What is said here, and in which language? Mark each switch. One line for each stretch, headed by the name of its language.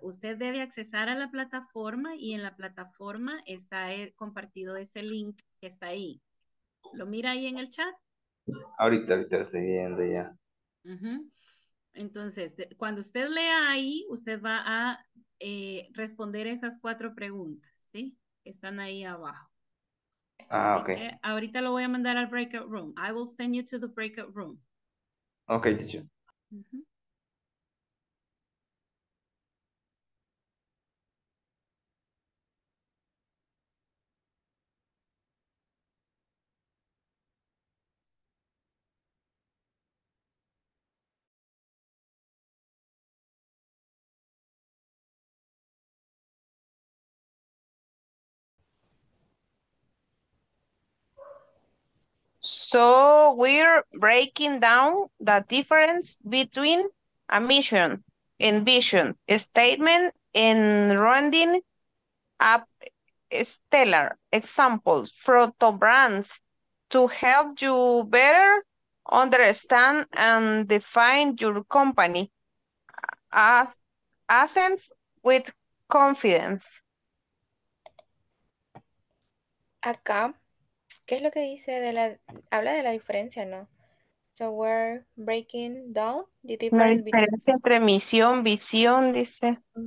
Spanish: Usted debe accesar a la plataforma y en la plataforma está compartido ese link que está ahí. ¿Lo mira ahí en el chat? Ahorita lo estoy viendo ya. Uh-huh. Entonces, cuando usted lea ahí, usted va a responder esas cuatro preguntas, ¿sí? Están ahí abajo. Ah, así ok. Que ahorita lo voy a mandar al breakout room.
English: I will send you to the breakout room. Ok, teacher. So we're breaking down the difference between a mission and vision, a statement and rounding up stellar examples, proto brands to help you better understand and define your company as essence with confidence.
Spanish: Acá. ¿Qué es lo que dice? Habla de la diferencia, ¿no?
English: So we're breaking down the
Spanish: different. La diferencia entre misión, visión, dice.